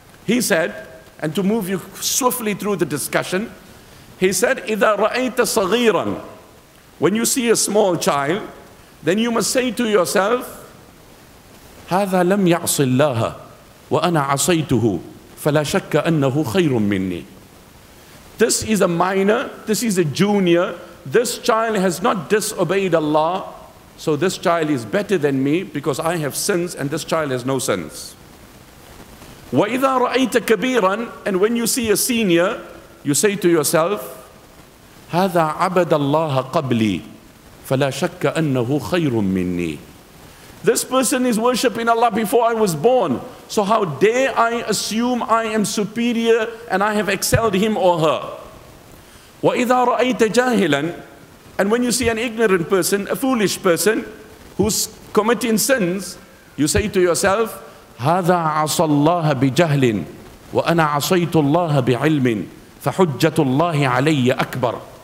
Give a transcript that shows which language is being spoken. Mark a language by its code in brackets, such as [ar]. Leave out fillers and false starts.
[en] He said, and to move you swiftly through the discussion, he said, [ar] إِذَا رَأَيْتَ صَغِيرًا, [en] when you see a small child, then you must say to yourself, [ar] هَذَا لَمْ يَعْصِ اللَّهَ وَأَنَا عَصَيْتُهُ فَلَا شَكَّ أَنَّهُ خَيْرٌ مِّنِّي. [en] This is a minor, this is a junior, this child has not disobeyed Allah, so this child is better than me because I have sins and this child has no sins. [ar] وَإِذَا رَأَيْتَ كَبِيرًا, [en] and when you see a senior, you say to yourself, [ar] هَذَا عَبَدَ اللَّهَ قَبْلِي فَلَا شَكَّ أَنَّهُ خَيْرٌ مِّنِّي. [en] This person is worshipping Allah before I was born. So how dare I assume I am superior and I have excelled him or her? [ar] وَإِذَا رَأَيْتَ جَاهِلًا, [en] and when you see an ignorant person, a foolish person who's committing sins, you say to yourself, [ar] هَذَا عَصَى اللَّهَ بِجَهْلٍ وَأَنَا عَصَيْتُ اللَّهَ بِعِلْمٍ فَحُجَّةُ اللَّهِ عَلَيَّ أَكْبَرٌ.